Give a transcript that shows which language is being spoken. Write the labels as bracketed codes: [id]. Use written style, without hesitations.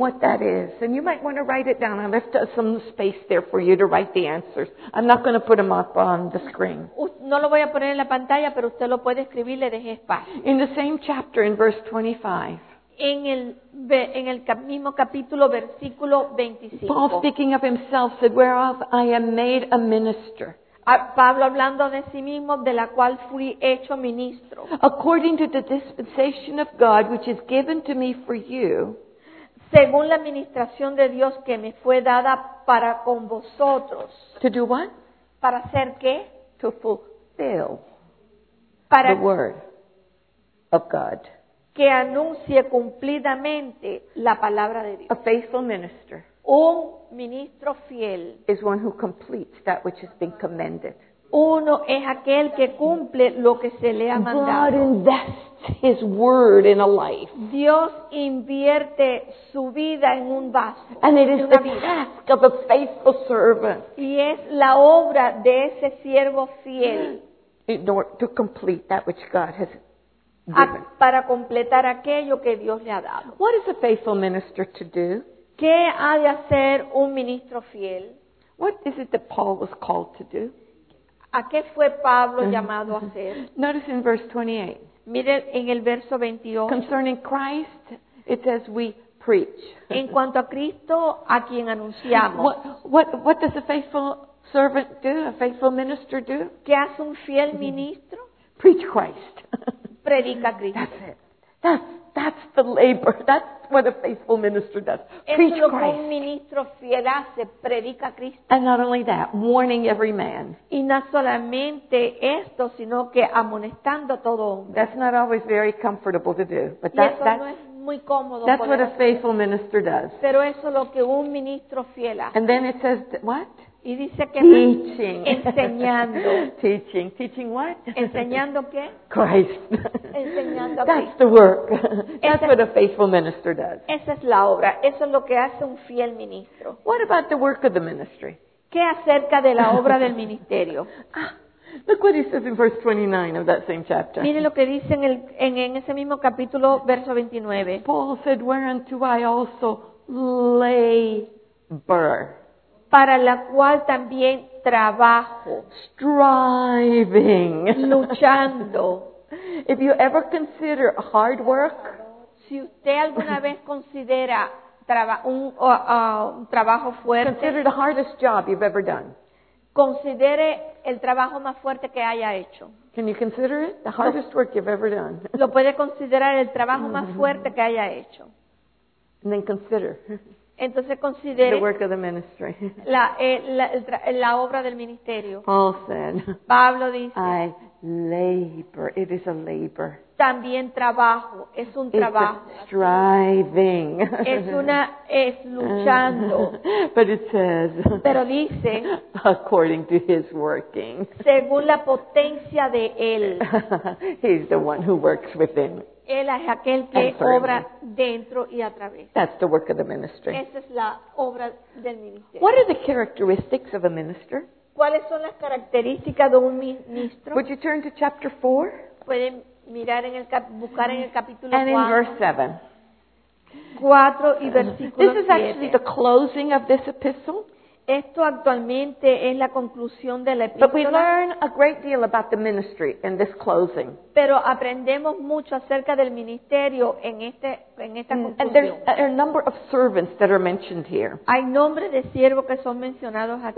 [en] What that is. And you might want to write it down. I left some space there for you to write the answers. I'm not going to put them up on the screen. [es] No lo voy a poner en la pantalla, pero usted lo puede escribir, le dejé espacio. [en] In the same chapter, in verse 25, [es] En el mismo capítulo, versículo 25. [en] Paul speaking of himself said, whereof I am made a minister. [es] Pablo hablando de sí mismo, de la cual fui hecho ministro. [en] According to the dispensation of God, which is given to me for you. [es] Según la administración de Dios que me fue dada para con vosotros. [en] To do what? [es] Para hacer qué? [en] To fulfill the word of God. [es] Que anuncie cumplidamente la palabra de Dios. [en] A faithful minister. [es] Un ministro fiel. [en] Is one who completes that which has been commended. [es] Uno es aquel que cumple lo que se le ha mandado. [en] God invests his word in a life. [es] Dios invierte su vida en un vaso. [en] And it is the task of a faithful servant. [es] Y es la obra de ese siervo fiel. [en] In order to complete that which God has [es] para completar aquello que Dios le ha dado. [en] What is a faithful minister to do? [es] ¿Qué ha de hacer un ministro fiel? [en] What is it that Paul was called to do? [es] ¿A qué fue Pablo llamado a hacer? [en] Notice in verse 28. [es] Mire en el verso 28. [en] Concerning Christ, it says we preach. [es] En cuanto a Cristo, a quien anunciamos. [en] What does a faithful servant do? A faithful minister do? [es] ¿Qué hace un fiel ministro? [en] Preach Christ. [es] Predica Cristo. [en] That's it. That's the labor. That's what a faithful minister does. Preach Christ. [es] Eso es lo que un ministro fiel hace, predica Cristo. [en] And not only that, warning every man. [es] Y no solamente esto, sino que amonestando a todo hombre. [en] That's not always very comfortable to do, but that's [es] no es muy cómodo. [en] That's what a faithful minister does. [es] Pero eso es lo que un ministro fiel hace. [en] And then it says what? [es] Y dice que [en] teaching. [es] Enseñando. [en] Teaching. Teaching what? [es] Enseñando qué? [en] Christ. [es] Enseñando a [en] Cristo. That's the work. That's what a faithful minister does. [es] Esa es la obra. Eso es lo que hace un fiel ministro. [en] What about the work of the ministry? [es] ¿Qué acerca de la obra del ministerio? [en] Look what he says in verse 29 of that same chapter. [es] Mire lo que dice en ese mismo capítulo, verso 29. [en] Paul said, whereunto I also lay burr. [es] Para la cual también trabajo. [en] Striving. [es] Luchando. [en] If you ever consider hard work, [es] si usted alguna vez considera un trabajo fuerte, [en] consider the hardest job you've ever done. [es] Considere el trabajo más fuerte que haya hecho. [en] Can you consider it the hardest work you've ever done? [es] Lo puede considerar el trabajo más fuerte que haya hecho. [en] And then consider. [es] Entonces considere [en] the work of the ministry. [es] La obra del ministerio. [en] Paul said, [es] Pablo dice, [en] I labor, it is a labor. [es] También trabajo, es un trabajo. [en] It's striving. [es] Es luchando. [en] But it says, [es] pero dice, [en] according to his working. [es] Según la potencia de él. [en] He's the one who works within. [es] Él es aquel que obra dentro y a través. [en] That's the work of the ministry. [es] Esa es la obra del ministerio. [en] What are the characteristics of a minister? [es] ¿Cuáles son las características de un ministro? [en] Would you turn to chapter 4? [es] Pueden mirar en el buscar en el capítulo [en] 4. And in verse 7. [es] 4 y versículo 7. [en] This is actually the closing of this epistle. [es] Esto actualmente es la conclusión de la epístola. [en] But we learn a great deal about the ministry in this closing. [es] Pero aprendemos mucho acerca del ministerio en esta conclusión. [en] And there are a number of servants that are mentioned here. [es] Hay nombres de siervos que son mencionados aquí.